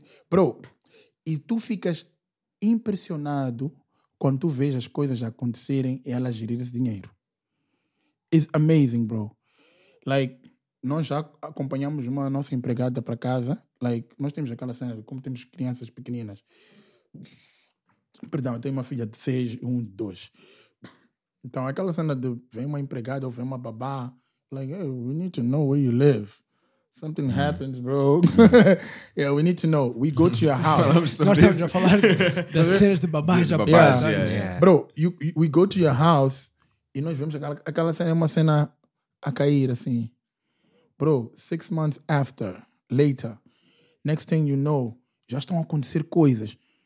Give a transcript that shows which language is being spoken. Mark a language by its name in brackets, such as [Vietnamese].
[Portuguese] Bro, e tu ficas impressionado quando tu vês as coisas acontecerem e ela gerir esse dinheiro. [English] It's amazing, bro. Like, [Portuguese] nós já acompanhamos uma nossa empregada para casa. Like, nós temos aquela cena, como temos crianças pequeninas. Perdão, eu tenho uma filha de 6, 1, 2. Então, aquela cena de vem uma empregada ou vem uma babá. [English] Like, hey, we need to know where you live. Something happens, bro. Yeah, we need to know. We go to your house. [Portuguese] Nós estamos a falar das cenas de babás. [English] Bro, we go to your house [Portuguese] e nós vemos aquela cena, é uma cena a cair, assim. [English] Bro, 6 months after, later, next thing you know, [Portuguese] já estão a acontecer coisas.